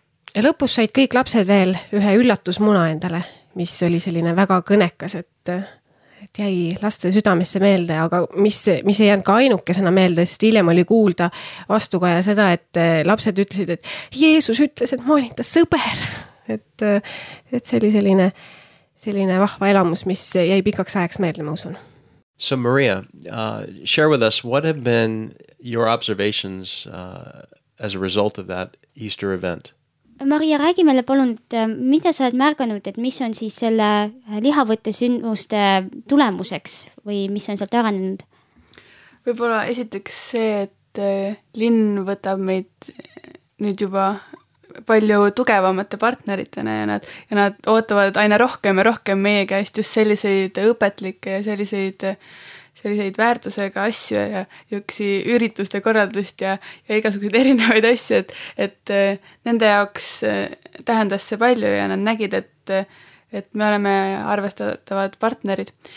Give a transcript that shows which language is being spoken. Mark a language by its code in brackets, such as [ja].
[et] Ja lõpus said kõik lapsed veel ühe üllatusmuna endale, mis oli selline väga kõnekas, et jäi laste südamesse meelde, aga mis ei jäänud ka ainukesena meelde, sest hiljem oli kuulda vastuga ja seda, et lapsed ütlesid, et Jeesus ütles, et ma olin ta sõber. Et see oli selline vahva elamus, mis jäi pikaks ajaks meelde, ma usun. [en] So Maria, share with us, what have been your observations as a result of that Easter event? [et] Maria, räägi meile palun, et mida sa oled märganud, et mis on siis selle lihavõtte sündmuste tulemuseks või mis on sealt arenenud? Võib-olla esiteks see, et linn võtab meid nüüd juba palju tugevamate partneritena ja nad ootavad aina rohkem ja rohkem meie käest just selliseid õpetlikke ja selliseid väärtusega asju ja üksi ürituste korraldust ja igasugused erinevaid asju, et nende jaoks tähendas see palju ja nad nägid, et me oleme arvestatavad partnerid.